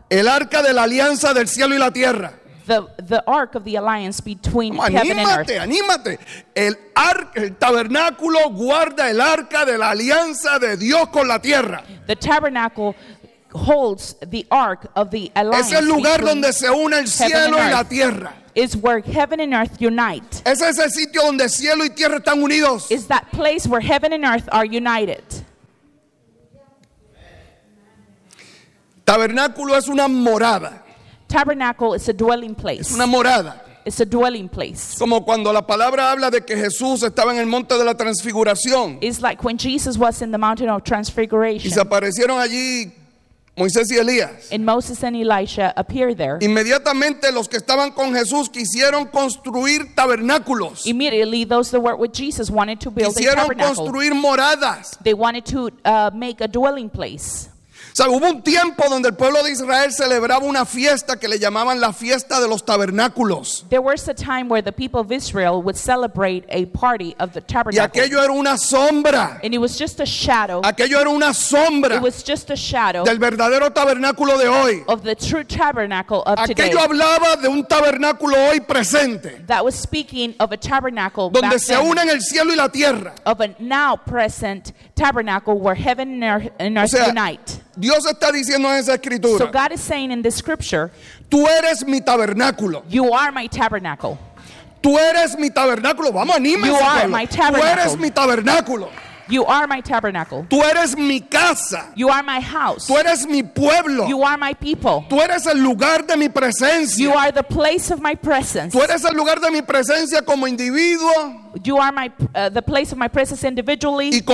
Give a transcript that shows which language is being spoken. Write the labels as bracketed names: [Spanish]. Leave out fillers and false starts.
[Spanish] El arca de la alianza del cielo y la tierra. [English] The ark of the alliance between heaven and earth. [Spanish] Anímate, anímate. El tabernáculo guarda el arca de la alianza de Dios con la tierra. [English] The tabernacle holds the ark of the alliance. [Spanish] Es el lugar donde se une el cielo y la tierra. [English] Is where heaven and earth unite. [Spanish] Es ese sitio donde cielo y tierra están unidos. [English] Is that place where heaven and earth are united. [Spanish] Tabernáculo es una morada. [English] Tabernacle is a dwelling place. [Spanish] Es una morada. [English] It's a dwelling place. [Spanish] Como cuando la palabra habla de que Jesús estaba en el monte de la transfiguración. [English] It's like when Jesus was in the mountain of transfiguration. [Spanish] Y se aparecieron allí Moisés y Elías. [English] And Moses and Elisha appeared there. [Spanish] Inmediatamente los que estaban con Jesús quisieron construir tabernáculos. [English] Immediately those that were with Jesus wanted to build [Spanish] quisieron [English] a tabernacle. [Spanish] Quisieron construir moradas. [English] They wanted to make a dwelling place. [Spanish] O sea, hubo un tiempo donde el pueblo de Israel celebraba una fiesta que le llamaban la fiesta de los tabernáculos. [English] There was a time where the people of Israel would celebrate a party of the tabernacle. [Spanish] Y aquello era una sombra. [English] And it was just a shadow. [Spanish] Aquello era una sombra. [English] It was just a shadow. [Spanish] Del verdadero tabernáculo de hoy. [English] Of the true tabernacle of today. [Spanish] Aquello hablaba de un tabernáculo hoy presente. [English] That was speaking of a tabernacle back [Spanish] donde se unen el cielo y la tierra. [English] Of a now present tabernacle where heaven and earth unite. [Spanish] Dios está diciendo en esa escritura. [English] So God is saying in this scripture. [Spanish] Tú eres mi tabernáculo. [English] You are my tabernacle. [Spanish] Tú eres mi tabernáculo. Vamos, anímese. [English] You are my tabernacle. [Spanish] Tú eres mi tabernáculo. [English] You are my tabernacle. [Spanish] Tú eres mi casa. [English] You are my house. [Spanish] Tú eres mi pueblo. [English] You are my people. [Spanish] Tú eres el lugar de mi presencia. [English] You are the place of my presence. [Spanish] Tú eres el lugar de mi presencia como individuo. [English] You are my the place of my presence individually.